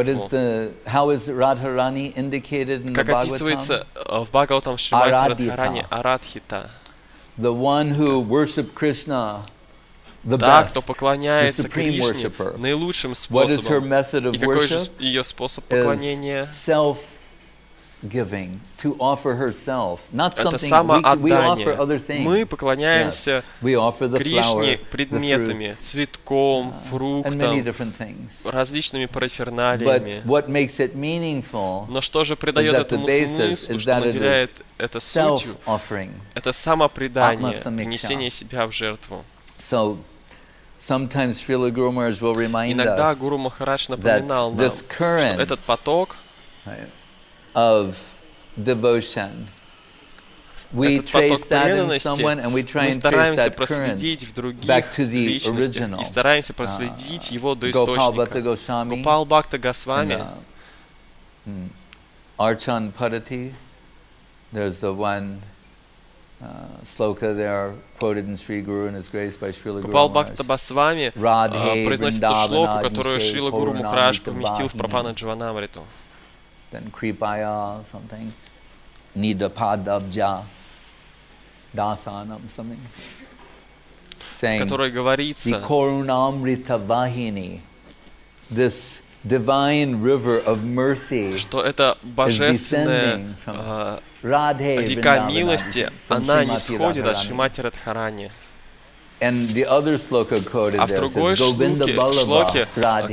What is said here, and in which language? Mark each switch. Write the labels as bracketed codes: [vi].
[en] What is the, how is Radharani indicated in the Bhagavatam? [ru] Как описывается в Бхагаватам Шримати Радхарани? Арадхита. [en] The one who worship Krishna, the [ru] да, [en] best, [ru] кто поклоняется [en] the supreme worshiper. [ru] Наилучшим способом. И какой же ее способ поклонения? [en] Self-giving, to offer herself, not something. [ru] Это самоотдание. [en] We offer other things. [ru] Мы поклоняемся Кришне предметами, цветком, фруктом, различными параферналиями. [en] But what makes it meaningful? [ru] Но что же придает этому смысл, что наделяет это [en] self-offering, [ru] сутью, это самопредание, принесение себя в жертву. [en] So, sometimes Srila Guru Maharaj will remind us. [ru] Иногда Гуру Махарадж напоминал нам, что этот поток [en] of devotion, we trace that in someone, and we try and trace that current back to the original. [ru] И стараемся проследить его до источника. Гопал Бхакта Госвами. Гопал Бхакта Госвами. Арчан Падати. [en] There's the one sloka there quoted in Sri Guru and His Grace by Srila Guru Maharaj. [ru] Гопал Бхакта Госвами произносит ту шлоку, которую Шрила Гуру Махарадж поместил в Прапана Джаванамриту. [en] Then Kripaya something, Nidapadabja, Dasanam something. Saying, [ru] в которой говорится. [en] The Korunamrita Vahini, this divine river of mercy, [ru] что это божественная река милости, она не сходит от Шримати Радхарани. [en] And the other sloka quoted there, says, Govinda Balava Radhe,